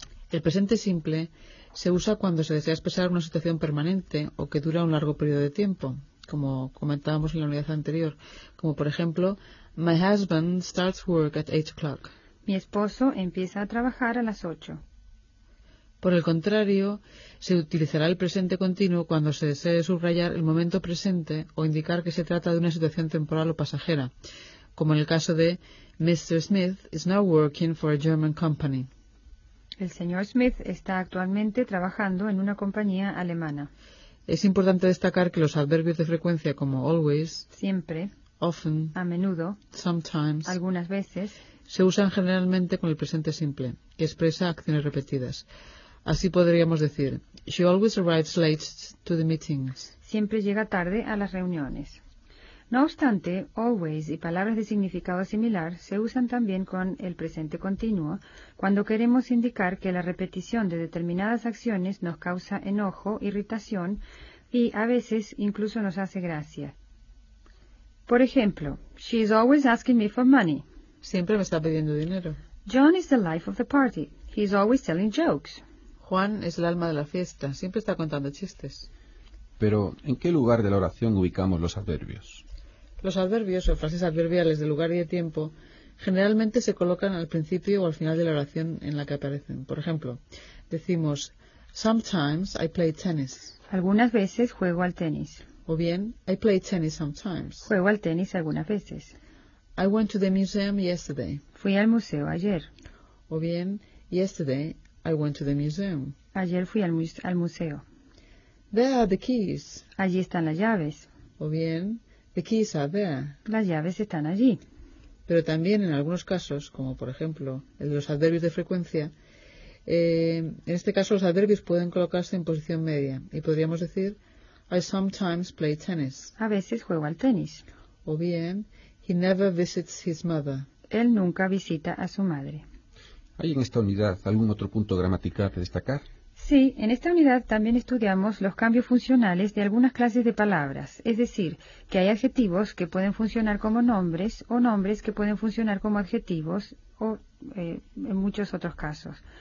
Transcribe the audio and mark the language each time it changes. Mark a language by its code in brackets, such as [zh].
[es] El presente simple se usa cuando se desea expresar una situación permanente o que dura un largo periodo de tiempo, como comentábamos en la unidad anterior, como por ejemplo, [en] my husband starts work at 8 o'clock. [es] Mi esposo empieza a trabajar a las 8. Por el contrario, se utilizará el presente continuo cuando se desee subrayar el momento presente o indicar que se trata de una situación temporal o pasajera, como en el caso de Mr. [en] Smith is now working for a German company. [es] El señor Smith está actualmente trabajando en una compañía alemana. Es importante destacar que los adverbios de frecuencia como always, siempre, [en] often, [es] a menudo, [en] sometimes, [es] algunas veces, se usan generalmente con el presente simple, que expresa acciones repetidas. Así podríamos decir, [en] she always arrives late to the meetings. [es] Siempre llega tarde a las reuniones. No obstante, always y palabras de significado similar se usan también con el presente continuo cuando queremos indicar que la repetición de determinadas acciones nos causa enojo, irritación y a veces incluso nos hace gracia. Por ejemplo, [en] she is always asking me for money. [es] Siempre me está pidiendo dinero. [en] John is the life of the party. He is always telling jokes. [es] Juan es el alma de la fiesta. Siempre está contando chistes. Pero, ¿en qué lugar de la oración ubicamos los adverbios? Los adverbios o frases adverbiales de lugar y de tiempo generalmente se colocan al principio o al final de la oración en la que aparecen. Por ejemplo, decimos, [en] Sometimes I play tennis. [es] Algunas veces juego al tenis. O bien, [en] I play tennis sometimes. [es] Juego al tenis algunas veces. [en] I went to the museum yesterday. [es] Fui al museo ayer. O bien, [en] yesterday I went to the museum. [es] Ayer fui al museo. [en] There are the keys. [es] Allí están las llaves. O bien, [en] the keys are there. [es] Las llaves están allí. Pero también en algunos casos, como por ejemplo el de los adverbios de frecuencia, en este caso los adverbios pueden colocarse en posición media y podríamos decir [en] I sometimes play tennis. [es] A veces juego al tenis. O bien, [en] he never visits his mother. [es] Él nunca visita a su madre. ¿Hay en esta unidad algún otro punto gramatical que destacar? Sí, en esta unidad también estudiamos los cambios funcionales de algunas clases de palabras, es decir, que hay adjetivos que pueden funcionar como nombres o nombres que pueden funcionar como adjetivos o en muchos otros casos.